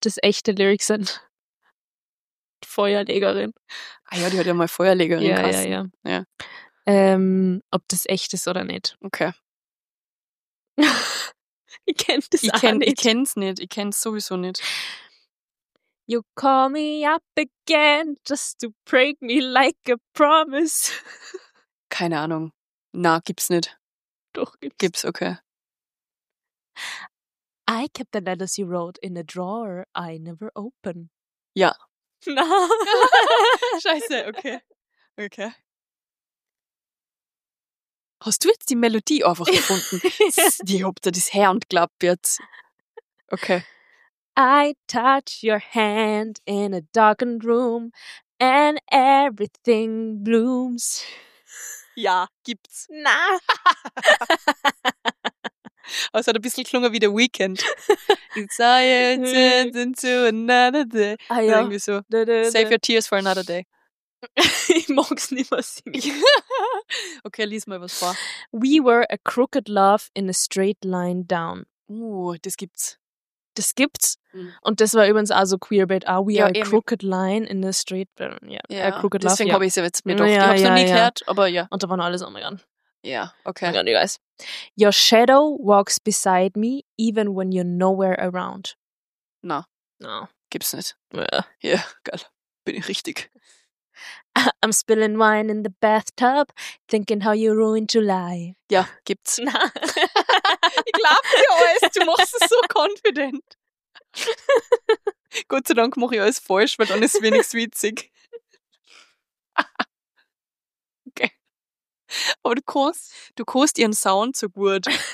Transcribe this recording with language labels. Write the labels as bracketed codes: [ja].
[de] das echte Lyrics sind. Feuerlegerin. Ah ja, die hat ja mal Feuerlegerin ja, krass. Ja. Ob das echt ist oder nicht. Okay. Ich kenne es nicht. Ich kenne es sowieso nicht. [en] You call me up again just to break me like a promise. [de] Keine Ahnung. Na, gibt's nicht. Doch, gibt's. Gibt's, okay. [en] I kept the letters you wrote in a drawer I never open. [de] Ja. Na. Scheiße, okay. Okay. Hast du jetzt die Melodie einfach gefunden? Die ob da das Hand klappt jetzt. Okay. [en] I touch your hand in a darkened room and everything blooms. [de] Ja, gibt's. Na. Aber es hat ein bisschen klungen wie The Weeknd. [en] It's I turned into another day. [de] Ah, ja. Irgendwie so. [en] Save your tears for another day. [de] Ich mag's nicht mehr singen. Okay, lies mal was vor. [en] We were a crooked love in a straight line down. [de] Das gibt's. Das gibt's. Und das war übrigens auch so Queerbait. [en] Ah, we are a crooked line in the street. Yeah. [de] Ja, crooked deswegen habe ich es jetzt mir doch. Ja, ich habe es noch nie gehört, aber ja. Und da waren alles [en] oh my god. [de] Ja, okay. [en] Oh my god, you guys. Your shadow walks beside me, even when you're nowhere around. [de] Na. [en] No. [de] Gibt's nicht. Ja. Ja, geil. Bin ich richtig. [en] I'm spilling wine in the bathtub, thinking how you ruined July. [de] Ja, gibt's. Na. Ich glaub dir alles, du machst es so confident. Gott sei Dank mache ich alles falsch, weil dann ist es wenigstens witzig. Okay. Aber du kannst ihren Sound so gut.